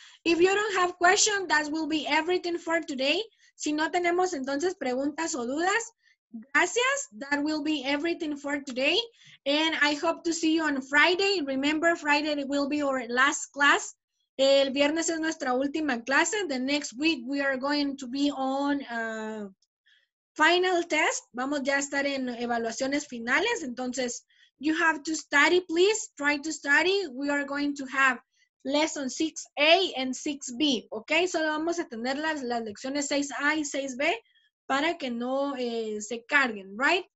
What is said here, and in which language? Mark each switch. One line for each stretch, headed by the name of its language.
English: If you don't have questions, that will be everything for today.
Spanish: Si no tenemos entonces preguntas o dudas, gracias.
English: That will be everything for today. And I hope to see you on Friday. Remember, Friday will be our last class.
Spanish: El viernes es nuestra última clase.
English: The next week we are going to be on final test,
Spanish: vamos ya a estar en evaluaciones finales, entonces,
English: you have to study, please, try to study, we are going to have lesson 6A and 6B, ok,
Spanish: solo vamos a tener las lecciones 6A y 6B para que no se carguen,
English: right?